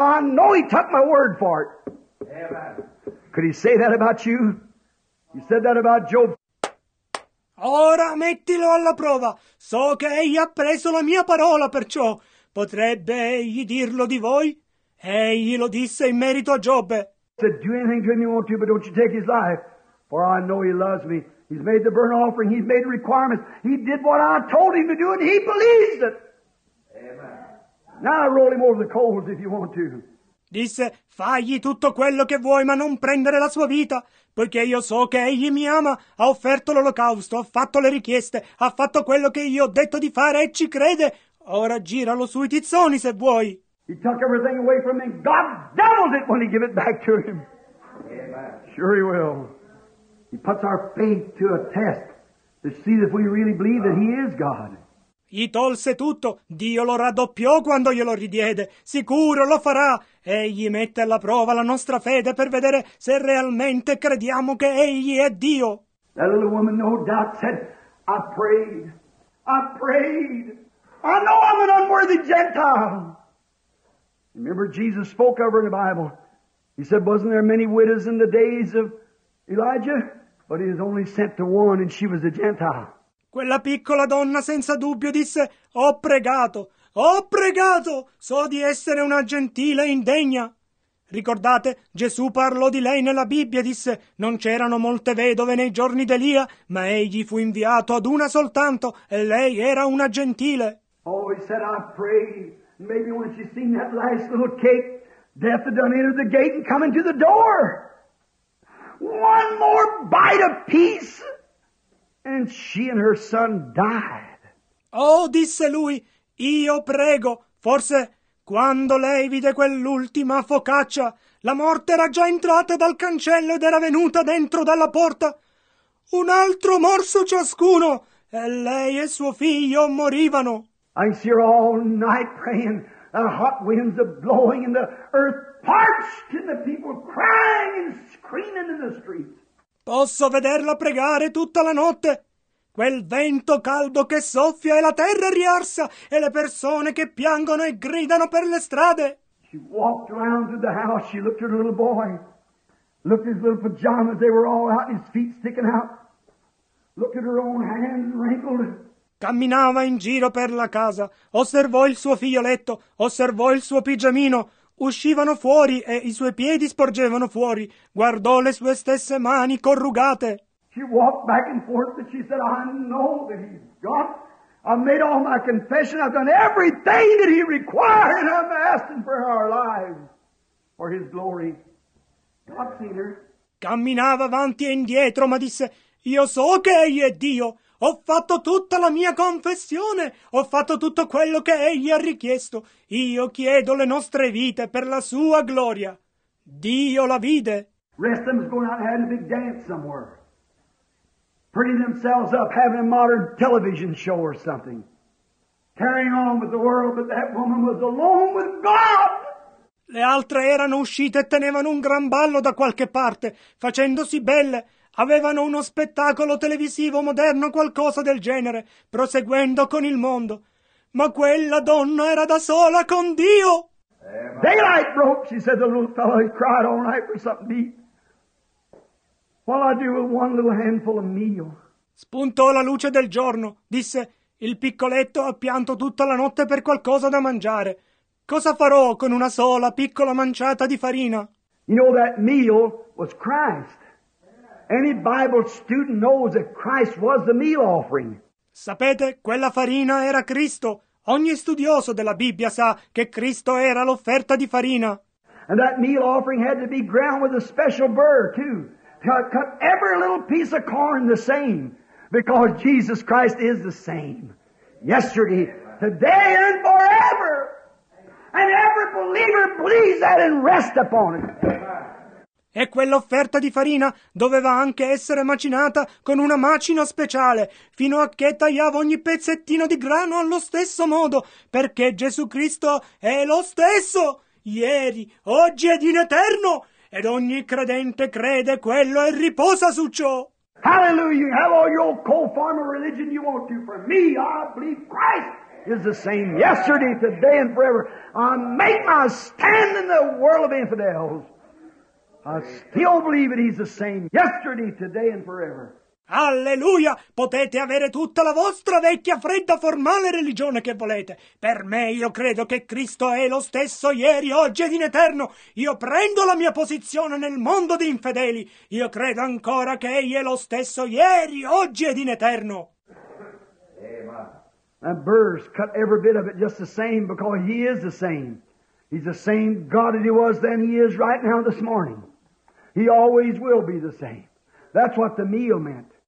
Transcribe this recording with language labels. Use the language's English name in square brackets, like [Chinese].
[English] I know he took my word for it. Could he say that about you? He said that about Job. [Italian] Ora mettilo alla prova. So che egli ha preso la mia parola, perciò potrebbe egli dirlo di voi? Egli lo disse in merito a Giobbe. [English] He said, do anything to him you want to, but don't you take his life. For I know he loves me. He's made the burnt offering. He's made requirements. He did what I told him to do, and he believes it. Amen. Now roll him over the coals if you want to. [Italian] Disse, fagli tutto quello che vuoi, ma non prendere la sua vita, poiché io so che egli mi ama, ha offerto l'olocausto, ha fatto le richieste, ha fatto quello che io ho detto di fare e ci crede. Ora giralo sui tizzoni se vuoi. [English] He took everything away from him. God doubled it when he gave it back to him. Amen. Sure he will. He puts our faith to a test to see if we really believe that he is God. [Italian] Gli tolse tutto, Dio lo raddoppiò quando glielo ridiede, sicuro lo farà. Egli mette alla prova la nostra fede per vedere se realmente crediamo che egli è Dio. [English] That little woman no doubt said, I prayed, I prayed. I know I'm an unworthy Gentile. Remember Jesus spoke of her in the Bible. He said, wasn't there many widows in the days of Elijah? But he was only sent to one and she was a Gentile. [Italian] Quella piccola donna senza dubbio disse, ho pregato, so di essere una gentile indegna. Ricordate, Gesù parlò di lei nella Bibbia, disse, non c'erano molte vedove nei giorni d'Elia, ma egli fu inviato ad una soltanto, e lei era una gentile. [English] Oh, he said, I pray, maybe when she seen that last little cake, death had done entered the gate and come into the door. One more bite of peace. And she and her son died. [Italian] Oh, disse lui, io prego, forse quando lei vide quell'ultima focaccia, la morte era già entrata dal cancello ed era venuta dentro dalla porta. Un altro morso ciascuno, e lei e suo figlio morivano. [English] I'm sure all night praying, the hot winds are blowing and the earth parched and the people crying and screaming in the streets. [Italian] Posso vederla pregare tutta la notte? Quel vento caldo che soffia e la terra riarsa e le persone che piangono e gridano per le strade. [English] She walked around to the house. She looked at her little boy. Looked at his little pajamas. They were all out, his feet sticking out. Looked at her own hands wrinkled. [Italian] Camminava in giro per la casa. Osservò il suo figlioletto. Osservò il suo pigiamino. Uscivano fuori e i suoi piedi sporgevano fuori. Guardò le sue stesse mani corrugate. [English] She walked back and forth and she said, I know that he's God. I've made all my confession. I've done everything that he required. And I'm asking for our lives, for his glory. God seen her. [Italian] Camminava avanti e indietro, ma disse, io so che egli è Dio. Ho fatto tutta la mia confessione. Ho fatto tutto quello che egli ha richiesto. Io chiedo le nostre vite per la sua gloria. Dio la vide. [English] Rest of them is going out and having a big dance somewhere. Putting themselves up, having a modern television show or something. Carrying on with the world, but that woman was alone with God. [Italian] Le altre erano uscite e tenevano un gran ballo da qualche parte, facendosi belle. Avevano uno spettacolo televisivo moderno, qualcosa del genere, proseguendo con il mondo. Ma quella donna era da sola con Dio. [English] Daylight broke, she said, the little fellow. He cried all night for something to eat. What I do with one little handful of meal? [Italian] Spuntò la luce del giorno, disse, il piccoletto ha pianto tutta la notte per qualcosa da mangiare. Cosa farò con una sola piccola manciata di farina? [English] You know that meal was Christ. Any Bible student knows that Christ was the meal offering. [Italian] Sapete, quella farina era Cristo. Ogni studioso della Bibbia sa che Cristo era l'offerta di farina. [English] And that meal offering had to be ground with a special burr too. Cut every little piece of corn the same, because Jesus Christ is the same. Yesterday, today, and forever. And every believer believes that and rest upon it. [Italian] E quell'offerta di farina doveva anche essere macinata con una macina speciale, fino a che tagliava ogni pezzettino di grano allo stesso modo, perché Gesù Cristo è lo stesso, ieri, oggi ed in eterno, ed ogni credente crede quello e riposa su ciò. [English] Hallelujah! Have all your co-farmer religion you want to. For me, I believe Christ is the same yesterday, today, and forever. I make my stand in the world of infidels. I still believe that he's the same yesterday, today, and forever. [Italian] Alleluia! Potete avere tutta la vostra vecchia, fredda, formale religione che volete. Per me io credo che Cristo è lo stesso ieri, oggi ed in eterno. Io prendo la mia posizione nel mondo di infedeli. Io credo ancora che egli è lo stesso ieri, oggi ed in eterno. [English] And burrs cut every bit of it just the same because he is the same. He's the same God that he was then, he is right now this morning. He always will be the same. That's what the meal meant.